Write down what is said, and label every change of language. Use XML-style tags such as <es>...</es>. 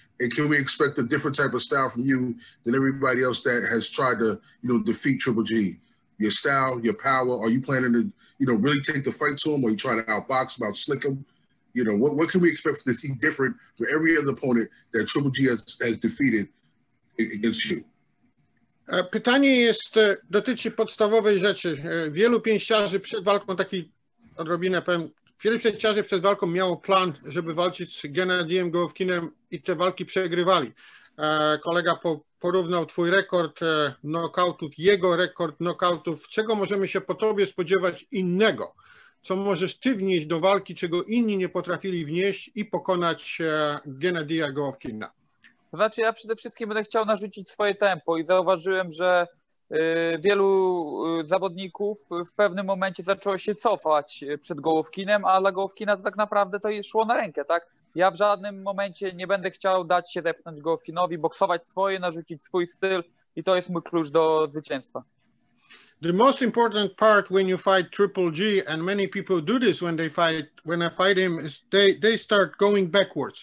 <en>And can we expect a different type of style from you than everybody else that has tried to, you know, defeat Triple G? Your style, your power, are you planning to, you know, really take the fight to him? Or are you trying to outbox him, outslick him? You know, what can we expect to see different from every other opponent that Triple G has defeated against you?</en> <pl>Pytanie jest, dotyczy podstawowej rzeczy. Wielu pięściarzy przed walką, taki odrobinę powiem, wielu pięściarzy przed walką miało plan, żeby walczyć z Gennadiyem Golovkinem i te walki przegrywali. Kolega porównał twój rekord knockoutów, jego rekord knockoutów. Czego możemy się po tobie spodziewać innego? Co możesz ty wnieść do walki, czego inni nie potrafili wnieść i pokonać Gennadiya Golovkina? Znaczy, ja przede wszystkim będę chciał narzucić swoje tempo i zauważyłem, że wielu zawodników w pewnym momencie zaczęło się cofać przed Golovkinem, a dla Golovkina to tak naprawdę to szło na rękę, tak? Ja w żadnym momencie nie będę chciał dać się zepchnąć Golovkinowi, boksować swoje, narzucić swój styl i to jest mój klucz do zwycięstwa.</pl> <en>The most important part when you fight Triple G, and many people do this when they fight, when I fight him, is they start going backwards.</en>